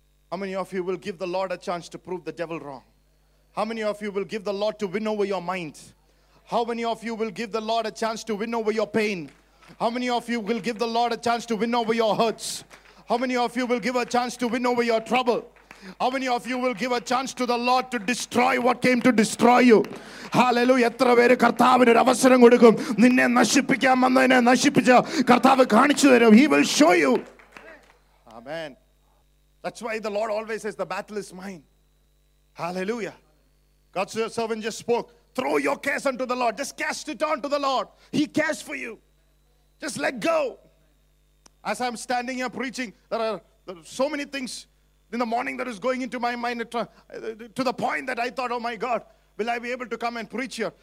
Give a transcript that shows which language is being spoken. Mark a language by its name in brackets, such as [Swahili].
[English] How many of you will give the Lord a chance to prove the devil wrong? How many of you will give the Lord to win over your mind? How many of you will give the Lord a chance to win over your pain? How many of you will give the Lord a chance to win over your hurts? How many of you will give a chance to win over your trouble? How many of you will give a chance to the Lord to destroy what came to destroy you? Hallelujah. [Malayalam] എത്ര പേര് കർത്താവിന് ഒരു അവസരം കൊടുക്കും? നിന്നെ നശിപ്പിക്കാൻ വന്നതിനെ നശിപ്പിച്ച് കർത്താവ് കാണിച്ചു തരും. [English] He will show you. Amen. That's why the Lord always says the battle is mine. Hallelujah. God's servant just spoke. Throw your cares unto the Lord. Just cast it on to the Lord. He cares for you. Just let go. As I'm standing here preaching, there are so many things in the morning that is going into my mind to the point that I thought, oh my God, will I be able to come and preach here?